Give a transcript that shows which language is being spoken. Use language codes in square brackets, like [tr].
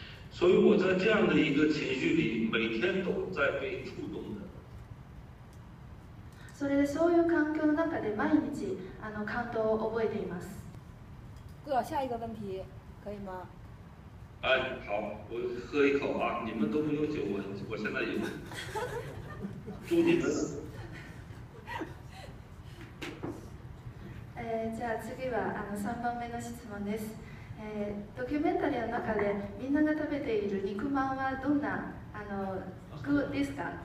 [zh] 所以我在这样的一个情绪里，每天都在被触动的。 [ja] それで、そういう環境の中で毎日感動を覚えています。 [zh] 哥，下一个问题可以吗？哎，好，我喝一口啊！你们都没有酒，我现在有，祝你们。 [ja] じゃあ次は3番目の質問です。ドキュメンタリーの中でみんなが食べている肉まんはどんな具ですか？